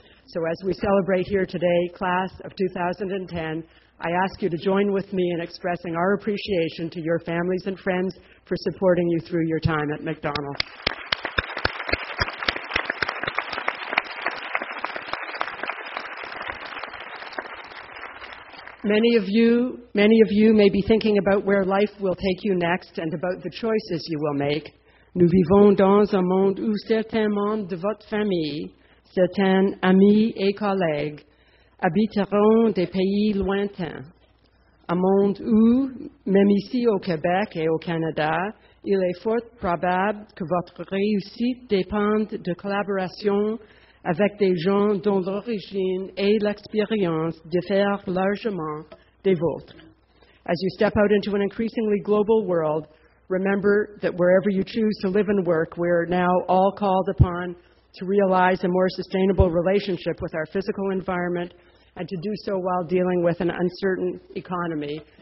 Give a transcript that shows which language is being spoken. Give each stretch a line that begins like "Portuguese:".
English: So as we celebrate here today, class of 2010, I ask you to join with me in expressing our appreciation to your families and friends for supporting you through your time at McDonald. Many of you may be thinking about where life will take you next and about the choices you will make.
French: Nous vivons dans un monde où certains membres de votre famille, certains amis et collègues, habiteront des pays lointains. Un monde où, même ici au Québec et au Canada, il est fort probable que votre réussite dépende de collaboration avec des gens dont l'origine et l'expérience diffèrent largement des vôtres.
English: As you step out into an increasingly global world, remember that wherever you choose to live and work, we are now all called upon to realize a more sustainable relationship with our physical environment and to do so while dealing with an uncertain economy.